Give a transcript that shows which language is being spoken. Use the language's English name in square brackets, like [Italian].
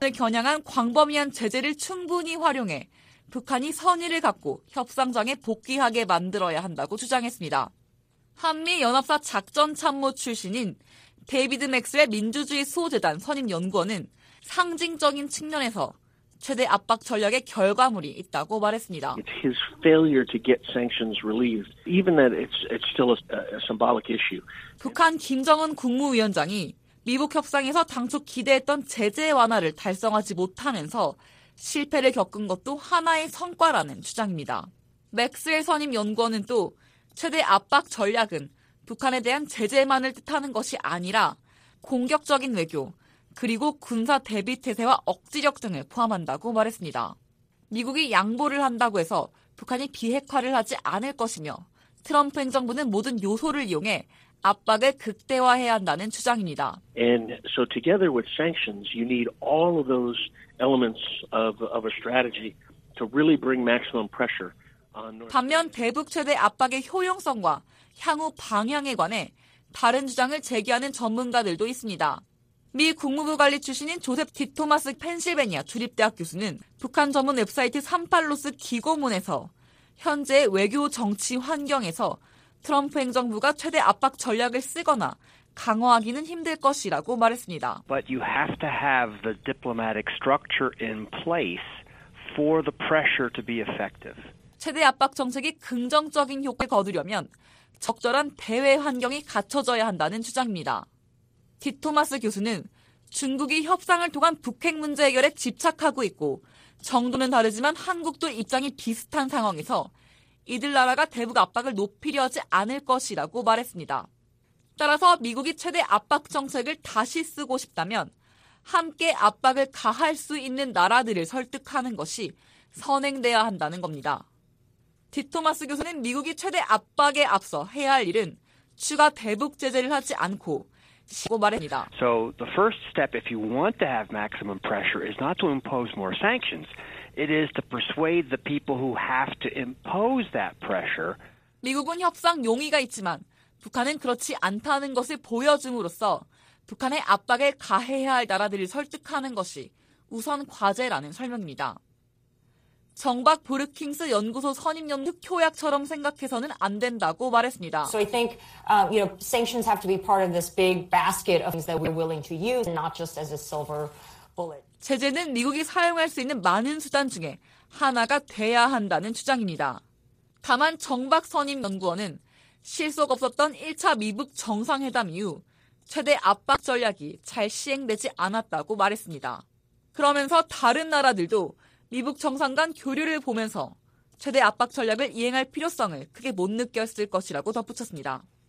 [Korean] 을 겨냥한 광범위한 제재를 충분히 활용해 북한이 선의를 갖고 협상장에 복귀하게 만들어야 한다고 주장했습니다. 한미연합사 작전참모 출신인 데이비드 맥스웰 민주주의 수호재단 선임 연구원은 상징적인 측면에서 최대 압박 전략의 결과물이 있다고 말했습니다. [English] It's his failure to get sanctions relieved, even that it's still a symbolic issue. [Korean] 북한 김정은 국무위원장이 미북 협상에서 당초 기대했던 제재 완화를 달성하지 못하면서 실패를 겪은 것도 하나의 성과라는 주장입니다. 맥스웰 선임 연구원은 또 최대 압박 전략은 북한에 대한 제재만을 뜻하는 것이 아니라 공격적인 외교, 그리고 군사 대비 태세와 억지력 등을 포함한다고 말했습니다. 미국이 양보를 한다고 해서 북한이 비핵화를 하지 않을 것이며 트럼프 행정부는 모든 요소를 이용해 압박을 극대화해야 한다는 주장입니다. [English] And so together with sanctions, you need all of those elements of a strategy to really bring maximum pressure on. [Korean] 반면 대북 최대 압박의 효용성과 향후 방향에 관해 다른 주장을 제기하는 전문가들도 있습니다. 미 국무부 관리 출신인 조셉 디토마스 펜실베니아 주립대학 교수는 북한 전문 웹사이트 38로스 기고문에서 현재 외교 정치 환경에서 트럼프 행정부가 최대 압박 전략을 쓰거나 강화하기는 힘들 것이라고 말했습니다. [English] But you have to have the diplomatic structure in place for the pressure to be effective. [Korean] 최대 압박 정책이 긍정적인 효과를 거두려면 적절한 대외 환경이 갖춰져야 한다는 주장입니다. 디토마스 교수는 중국이 협상을 통한 북핵 문제 해결에 집착하고 있고 정도는 다르지만 한국도 입장이 비슷한 상황에서 이들 나라가 대북 압박을 높이려 하지 않을 것이라고 말했습니다. 따라서 미국이 최대 압박 정책을 다시 쓰고 싶다면 함께 압박을 가할 수 있는 나라들을 설득하는 것이 선행돼야 한다는 겁니다. 디토마스 교수는 미국이 최대 압박에 앞서 해야 할 일은 추가 대북 제재를 하지 않고 말합니다. [English] So the first step, if you want to have maximum pressure, is not to impose more sanctions. It is to persuade the people who have to impose that pressure. [Korean] 미국은 협상 용의가 있지만 북한은 그렇지 않다는 것을 보여줌으로써 북한의 압박에 가해야 할 나라들을 설득하는 것이 우선 과제라는 설명입니다. 정박 브루킹스 연구소 선임연구 특효약처럼 생각해서는 안 된다고 말했습니다. [English] So I think you know sanctions have to be part of this big basket of things that we're willing to use not just as a silver bullet. [Korean] 제재는 미국이 사용할 수 있는 많은 수단 중에 하나가 돼야 한다는 주장입니다. 다만 정박 선임연구원은 실속 없었던 1차 미북 정상회담 이후 최대 압박 전략이 잘 시행되지 않았다고 말했습니다. 그러면서 다른 나라들도 미북 정상 간 교류를 보면서 최대 압박 전략을 이행할 필요성을 크게 못 느꼈을 것이라고 덧붙였습니다.